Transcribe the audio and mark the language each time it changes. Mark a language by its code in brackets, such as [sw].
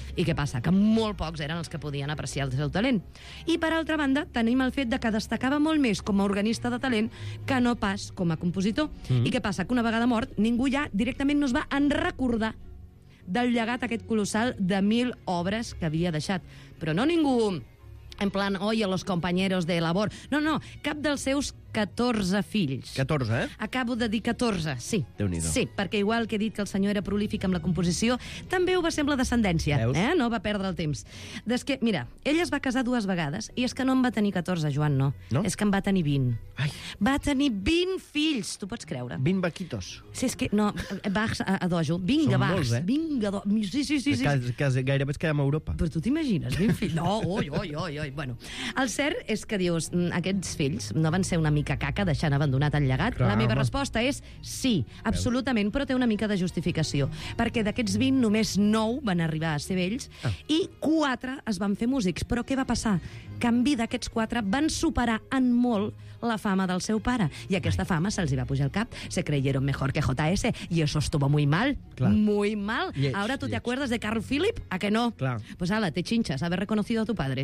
[ca] I què passa? Que molt pocs eren els que podien apreciar el seu talent. I, per altra banda, tenim el fet de que destacava molt més com a organista de talent que no pas com a compositor. Mm. I què passa? Que una vegada mort, ningú ja directament no es va en recordar del llegat aquest colossal de 1.000 obres que havia deixat. Però no ningú... [es] En plan, oye, los compañeros de labor. [ca] No, cap dels seus 14 fills. 14, eh? Acabo de dir 14, sí. Déu-n'hi-do. Sí, perquè igual que he dit que el senyor era prolífic amb la composició, també ho va ser amb la descendència. Veus? No va perdre el temps. Des que, mira, ell es va casar 2 vegades, i és que no en va tenir 14, Joan, no. No? És que en va tenir 20. Ai. Va tenir 20 fills, tu pots creure. 20 vaquitos. Sí, és que, no, Bachs a dojo. Vinga, Bachs. Són molts, eh? Vinga, dojo. Sí. Que gairebé es queda amb Europa. Però tu t'imagines, 20 fills? No, oi. Bueno, el cert és que, dius, aquests fills no van ser una mica mica caca deixant abandonat el llegat? Clar, la meva resposta és sí, absolutament, però té una mica de justificació. Perquè d'aquests 20, només 9 van arribar a ser vells i 4 es van fer músics. Però què va passar? Que en vida aquests 4 van superar en molt la fama del seu pare. I aquesta fama se'ls va pujar al cap. [es] Se creyeron mejor que JS. Y eso estuvo muy mal. Clar. Muy mal. Lleig, ahora tú lleig. Te acuerdas de Carl Philip? A que no? [ca] Clar. [es] Pues ala, te chinchas. Haber reconocido a tu padre.